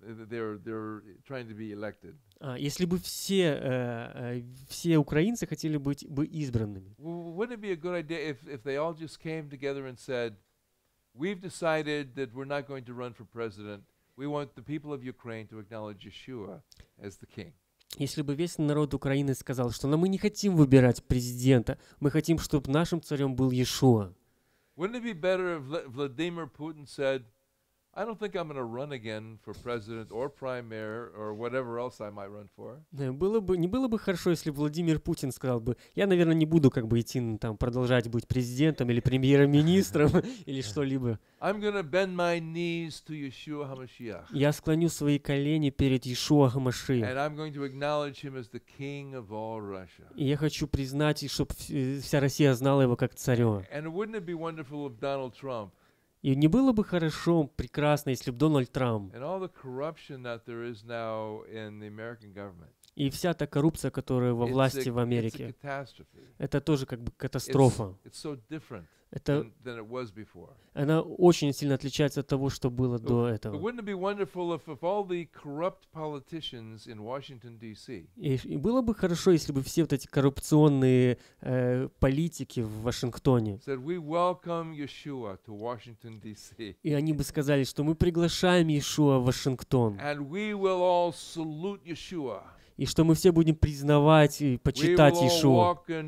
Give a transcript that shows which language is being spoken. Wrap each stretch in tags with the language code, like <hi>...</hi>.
<en>They're trying to be elected.</en> <ru>Если бы все украинцы хотели быть бы избранными.</ru> <en>Wouldn't it be a good idea if they all just came together and said, we've decided that we're not going to run for president. We want the people of Ukraine to acknowledge Yeshua as the king.</en> <ru>Если бы весь народ Украины сказал, что мы не хотим выбирать президента, мы хотим, чтобы нашим царем был Иешуа.</ru> <en>Wouldn't it be better if Vladimir Putin said, I don't think I'm going to run again for president or prime mayor or whatever else I might run for.</en> <ru>Не было бы хорошо, если Владимир Путин сказал бы, я, наверное, не буду как бы идти там продолжать быть президентом или премьер-министром или что-либо.</ru> <en>I'm going to bend my knees to Yeshua HaMashiach.</en> <ru>Я склоню свои колени перед Иешуа HaMashiach.</ru> <en>And I'm going to acknowledge him as the king of all Russia.</en> <ru>И я хочу признать, чтобы вся Россия знала его как царя.</ru> <en>And wouldn't it be wonderful if Donald Trump.</en> <ru>И не было бы хорошо, прекрасно, если бы Дональд Трамп.</ru> <en>And all the corruption that there is now in the American government.</en> <ru>И вся та коррупция, которая во власти в Америке. Это тоже как бы катастрофа.</ru> <en>It's so different than it was before.</en> <ru>Она очень сильно отличается от того, что было до этого.</ru> <en>Wouldn't it be wonderful if all the corrupt politicians in Washington D.C.</en> <ru>И было бы хорошо, если бы все вот эти коррупционные политики в Вашингтоне.</ru> <en>Said we welcome Yeshua to Washington D.C.</en> <ru>И они бы сказали, что мы приглашаем Иешуа в Вашингтон.</ru> <en>And we will all salute Yeshua.</en> <ru>И что мы все будем признавать и почитать Иешуа.</ru>